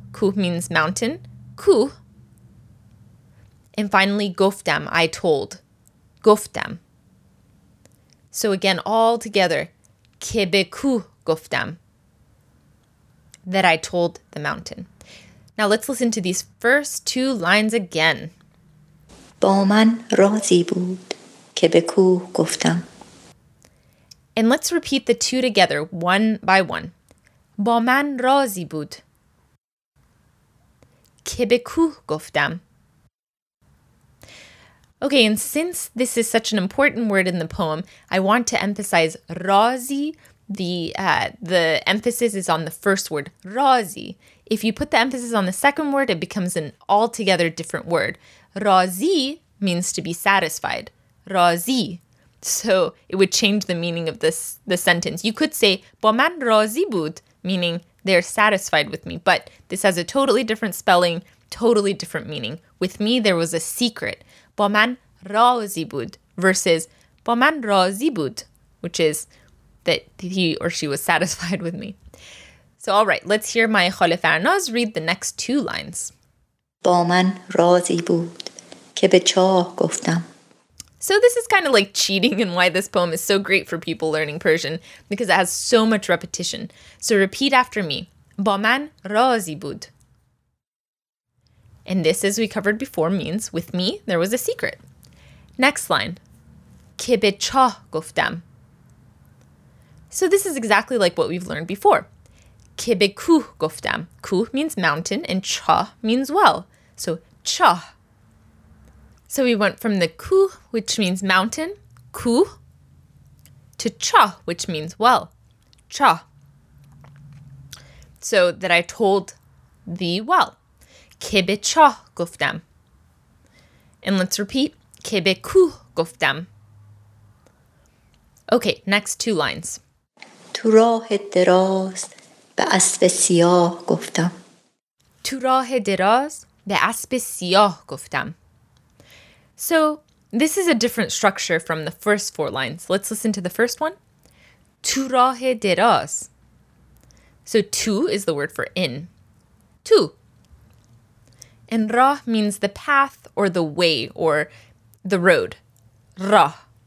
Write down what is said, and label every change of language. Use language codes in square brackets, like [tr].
[en] کوه means mountain. کوه. And finally, گفتم. I told. گفتم. So again, all together. [fa] که به کوه گفتم. [en] That I told the mountain. Now let's listen to these first two lines again. [fa] با من رازی بود که به کوه گفتم. [en] And let's repeat the two together one by one. [fa] با من رازی بود که به کوه گفتم. [en] Okay, and since this is such an important word in the poem, I want to emphasize رازی. The emphasis is on the first word, رازی. If you put the emphasis on the second word, it becomes an altogether different word. رازی means to be satisfied. رازی. So it would change the meaning of this the sentence. You could say, [fa] با من رازی بود, [en] meaning they're satisfied with me. But this has a totally different spelling, totally different meaning. With me, there was a secret. [fa] با من رازی بود [en] versus با من رازی بود, which is that he or she was satisfied with me. So, all right, let's hear my خاله Farnaz read the next two lines. [fa] با من رازی بود که به چاه گفتم. [en] So this is kind of like cheating and why this poem is so great for people learning Persian, because it has so much repetition. So repeat after me. [fa] با من رازی بود. [en] And this, as we covered before, means with me, there was a secret. Next line. [fa] که به چاه گفتم. [en] So this is exactly like what we've learned before. [fa] که به کوه گفتم. کوه [en] means mountain and [fa] چاه [en] means well. So [fa] چاه. [en] So we went from the کوه, which means mountain, کوه, to چاه, which means well. چاه. So that I told the well. [fa] که به چاه گفتم. [en] And let's repeat. [fa] که به کوه گفتم. [en] Okay, next two lines. [fa] تو راه دراز به اسب سیاه گفتم. تو راه دراز به اسب سیاه گفتم. [en] So, this is a different structure from the first four lines. Let's listen to the first one. [fa] تو راه دراز. [en] So, تو is the word for in. تو. And راه means the path or the way or the road. راه.